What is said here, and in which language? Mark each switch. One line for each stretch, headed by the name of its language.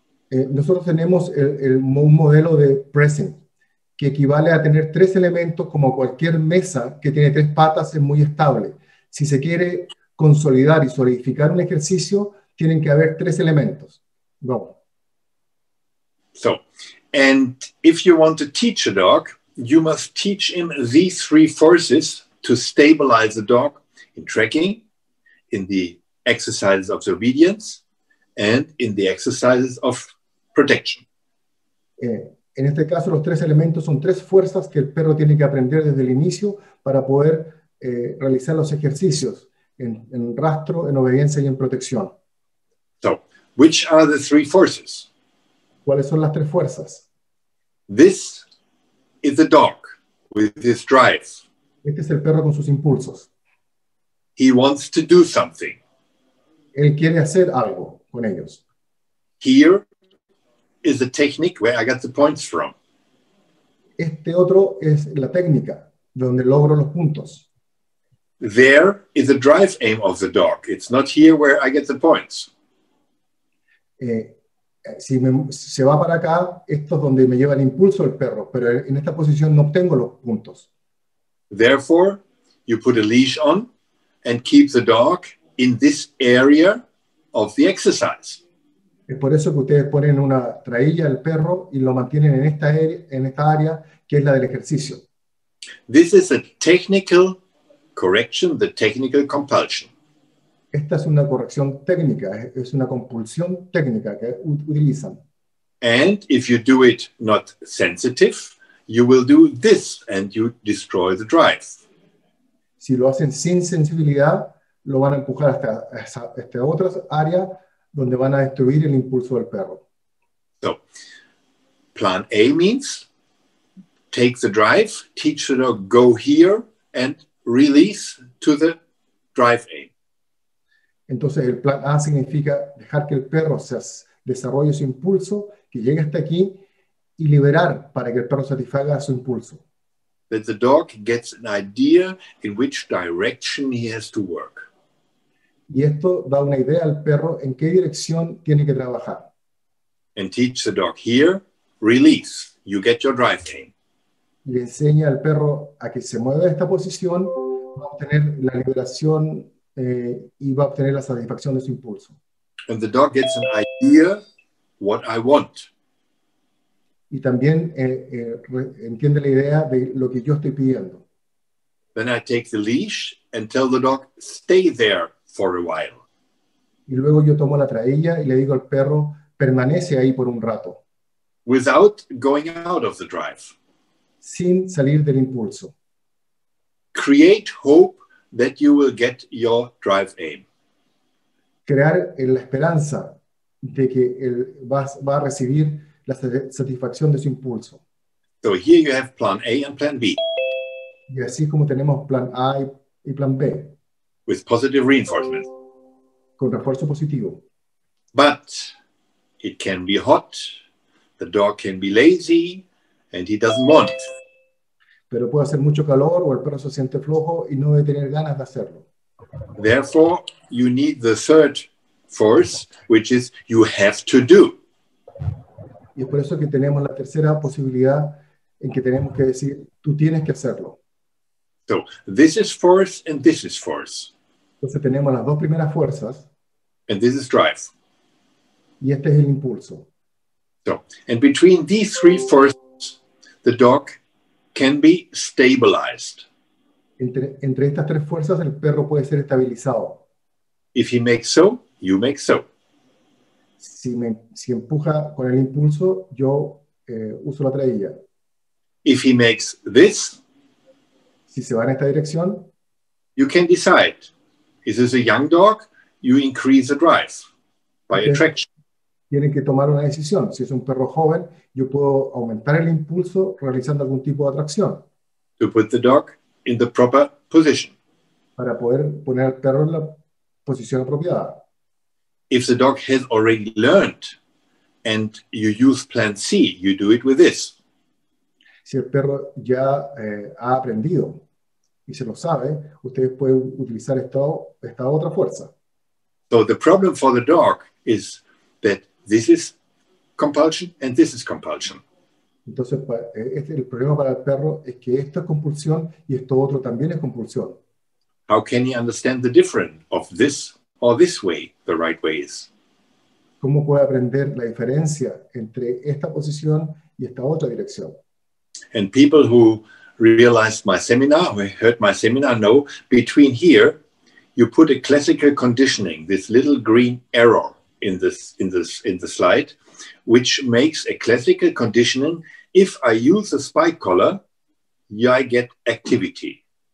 Spanish: Nosotros tenemos un modelo de pressing que equivale a tener tres elementos como cualquier mesa que tiene tres patas es muy estable. Si se quiere consolidar y solidificar un ejercicio, tienen que haber tres elementos.
English: Go. So, and if you want to teach a dog, you must teach him these three forces to stabilize the dog in tracking, in the exercises of the obedience, and in the exercises of protection.
Spanish: En este caso, los tres elementos son tres fuerzas que el perro tiene que aprender desde el inicio para poder realizar los ejercicios en rastro, en obediencia y en protección.
English: So, which are the three forces?
Spanish: ¿Cuáles son las tres fuerzas?
English: This is the dog with his drive.
Spanish: Este es el perro con sus impulsos.
English: He wants to do something.
Spanish: Él quiere hacer algo con ellos.
English: Here is the technique where I got the points from.
Spanish: Este otro es la técnica donde logro los puntos.
English: There is the drive aim of the dog. It's not here where I get the points.
Spanish: Si se va para acá, esto es donde me lleva el impulso el perro, pero en esta posición no obtengo los puntos.
English: Therefore, you put a leash on and keep the dog in this area of the exercise.
Spanish: Es por eso que ustedes ponen una trailla al perro y lo mantienen en esta área, que es la del ejercicio.
English: This is a technical correction, the technical compulsion.
Spanish: Esta es una corrección técnica, es una compulsión técnica que utilizan.
English: And if you do it not sensitive, you will do this and you destroy the drive.
Spanish: Si lo hacen sin sensibilidad, lo van a empujar hasta esta otra área donde van a destruir el impulso del perro.
English: So, plan A means take the drive, teach the dog go here and release to the drive aim.
Spanish: Entonces el plan A significa dejar que el perro desarrolle su impulso, que llegue hasta aquí y liberar para que el perro satisfaga su impulso.
English: That the dog gets an idea in which direction he has to work.
Spanish: Y esto da una idea al perro en qué dirección tiene que trabajar.
English: And teach the dog here, release, you get your drive aim.
Spanish: Y le enseña al perro a que se mueva de esta posición, va a obtener la liberación y va a obtener la satisfacción de su impulso.
English: And the dog gets an idea what I want.
Spanish: Y también entiende la idea de lo que yo estoy pidiendo.
English: Then I take the leash and tell the dog, stay there for a while.
Spanish: Y luego yo tomo la trailla y le digo al perro, permanece ahí por un rato.
English: Without going out of the drive.
Spanish: Sin salir del impulso.
English: Create hope that you will get your drive aim.
Spanish: Crear la esperanza de que él va a recibir la satisfacción de su impulso.
English: So here you have plan A and plan B.
Spanish: Y así como tenemos plan A y plan B.
English: With positive reinforcement.
Spanish: Con refuerzo positivo.
English: But it can be hot, the dog can be lazy, and he doesn't want.
Spanish: Pero puede hacer mucho calor o el perro se siente flojo y no debe tener ganas de hacerlo.
English: Therefore, you need the third force, which is you have to do.
Spanish: Y es por eso que tenemos la tercera posibilidad en que tenemos que decir, tú tienes que hacerlo.
English: So, this is force and this is force.
Spanish: Entonces tenemos las dos primeras fuerzas.
English: And this is drive.
Spanish: Y este es el impulso.
English: So, and between these three forces, the dog can be stabilized.
Spanish: Entre estas tres fuerzas, el perro puede ser estabilizado.
English: If he makes so, you make so.
Spanish: si empuja con el impulso, yo uso la trailla.
English: If he makes this,
Spanish: si se va en esta dirección,
English: you can decide. Is this a young dog? You increase the drive by attraction.
Spanish: Tienen que tomar una decisión. Si es un perro joven, yo puedo aumentar el impulso realizando algún tipo de atracción.
English: To put the dog in the proper position.
Spanish: Para poder poner al perro en la posición apropiada.
English: If the dog has already learned and you use plan C, you do it with this.
Spanish: Si el perro ya ha aprendido y se lo sabe, ustedes pueden utilizar esta otra fuerza.
English: So the problem for the dog is that this is compulsion and this is compulsion.
Spanish: Entonces, el problema para el perro es que esto es compulsión y esto otro también es compulsión.
English: How can he understand the difference of this or this way, the right way is?
Spanish: ¿Cómo puede aprender la diferencia entre esta posición y esta otra dirección?
English: And people who realized my seminar, who heard my seminar, know between here, you put a classical conditioning, this little green arrow in the slide, which makes a classical conditioning. If I use a spike collar, I get activity.